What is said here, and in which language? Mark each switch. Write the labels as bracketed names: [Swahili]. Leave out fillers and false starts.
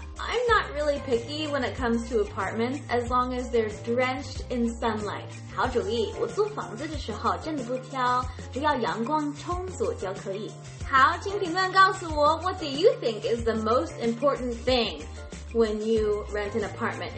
[English] I'm not really picky when it comes to apartments as long as they're drenched in sunlight. [Chinese] 好主意，我租房子的时候真的不挑，只要阳光充足就可以。好，请评论告诉我 [English] What do you think is the most important thing when you rent an apartment?